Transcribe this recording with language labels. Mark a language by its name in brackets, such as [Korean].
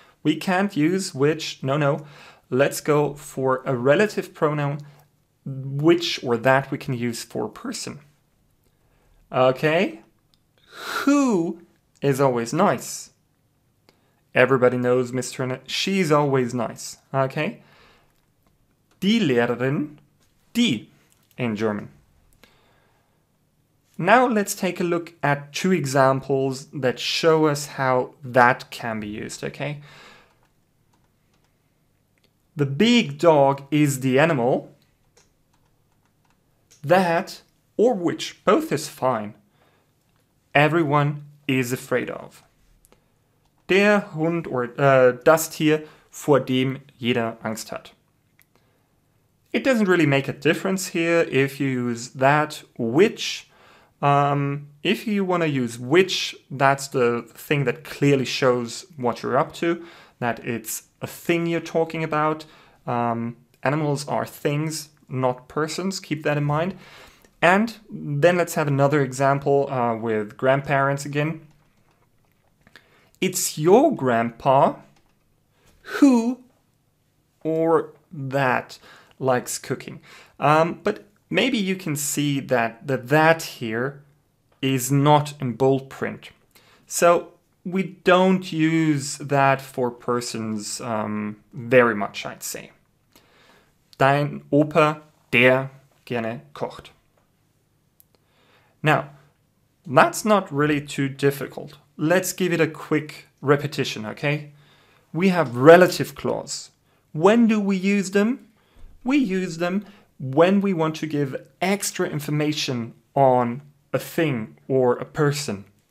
[English] We can't use which. No, no. Let's go for a relative pronoun, which or that we can use for a person. Okay, who is always nice? Everybody knows Miss Turner. She's always nice. [German] Okay, die Lehrerin, die [English] in German. Now let's take a look at two examples that show us how that can be used, okay? The big dog is the animal that or which both is fine, everyone is afraid of. [German] Der Hund or das Tier, vor dem jeder Angst hat. [English] It doesn't really make a difference here if you use that, which. If you want to use which, that's the thing that clearly shows what you're up to, that it's a thing you're talking about. Animals are things, not persons. Keep that in mind. And then let's have another example with grandparents again. It's your grandpa who or that likes cooking. But maybe you can see that that here is not in bold print. So we don't use that for persons very much, I'd say. [German] Dein Opa, der gerne kocht. [English] Now, that's not really too difficult. Let's give it a quick repetition, okay? We have relative clause. When do we use them? We use them when we want to give extra information on a thing or a person.